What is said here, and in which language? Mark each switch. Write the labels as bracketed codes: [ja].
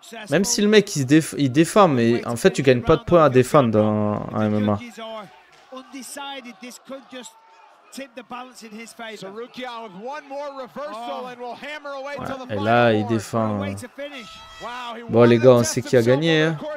[fr] Même si le mec il défend, mais en fait, tu gagnes pas de points à défendre en MMA. [en] Undecided, this could just tip the balance in his favor. Sarukian with one more reversal and will hammer away [fr] ouais, [en] to the [fr] et là, il défend. Bon, les gars, on sait qui a gagné.